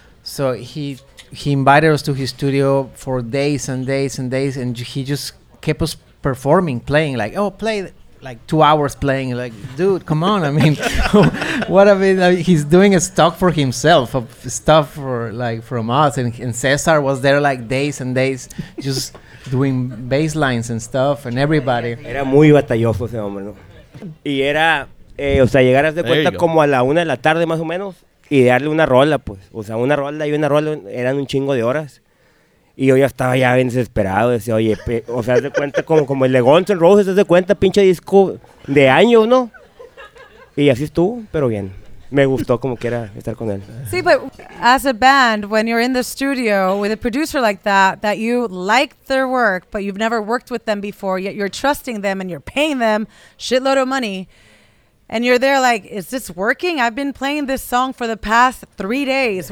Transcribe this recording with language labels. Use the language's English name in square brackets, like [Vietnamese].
[English] So he invited us to his studio for days and days and days, and he just kept us performing, playing, like, oh, play, like, 2 hours playing, like, dude, come on, I mean, what, I mean, like, he's doing a stock for himself, of stuff for, like, from us, and Cesar was there, like, days and days, just doing bass lines and stuff, and everybody. [Spanish] Era muy batalloso ese hombre, ¿no? Y era, o sea, llegar a hacer cuenta como a la una de la tarde, más o menos, y darle una rola, pues, o sea, una rola y una rola, eran un chingo de horas, y yo ya estaba ya bien desesperado, decía, oye, o sea, haz de cuenta, como el de Guns N' Roses, haz de cuenta, pinche disco de años, ¿no? Y así estuvo, pero bien, me gustó como quiera estar con él. Sí, [English] but as a band, when you're in the studio with a producer like that, that you like their work, but you've never worked with them before, yet you're trusting them and you're paying them shitload of money, and you're there like, is this working? I've been playing this song for the past 3 days.